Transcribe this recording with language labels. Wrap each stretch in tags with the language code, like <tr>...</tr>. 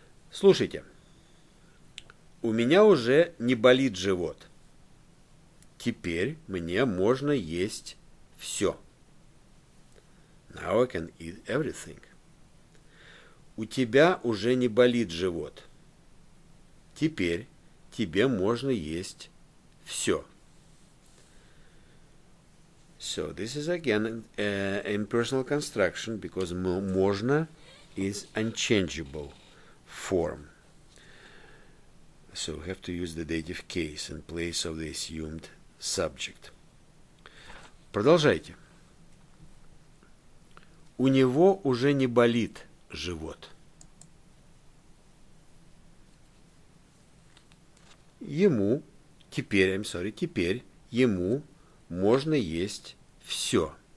<ru>Слушайте, у меня уже не болит живот. Теперь мне можно есть все.</ru> <en>Now I can eat everything.</en> <ru>У тебя уже не болит живот. Теперь тебе можно есть все.</ru> <en>So this is again an impersonal construction because можно is unchangeable form. So we have to use the dative case in place of the assumed subject.</en> <ru>Продолжайте. У него уже не болит живот. Ему теперь, теперь ему можно есть все.</ru>